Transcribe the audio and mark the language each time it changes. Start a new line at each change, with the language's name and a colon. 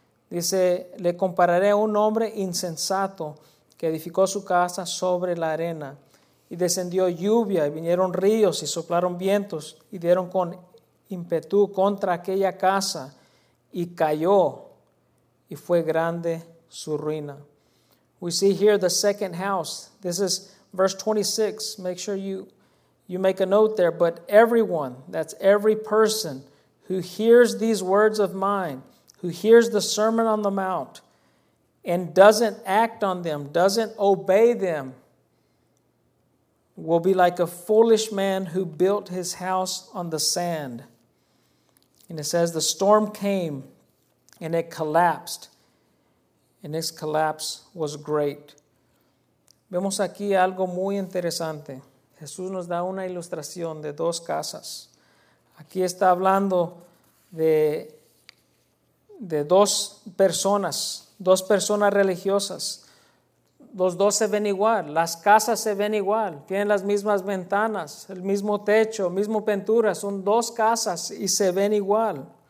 Spanish: Dice, le compararé a un hombre insensato que edificó su casa sobre la arena y descendió lluvia y vinieron ríos y soplaron vientos y dieron con ímpetu contra aquella casa y cayó y fue grande su ruina.
English: We see here the second house. This is verse 26. Make sure you make a note there. But everyone, that's every person who hears these words of mine, who hears the Sermon on the Mount and doesn't act on them, doesn't obey them, will be like a foolish man who built his house on the sand. And it says the storm came and it collapsed, and its collapse was great.
Spanish: Vemos aquí algo muy interesante. Jesús nos da una ilustración de dos casas. Aquí está hablando de dos personas religiosas. Los dos se ven igual, las casas se ven igual, tienen las mismas ventanas, el mismo techo, mismo pintura, son dos casas y se ven igual.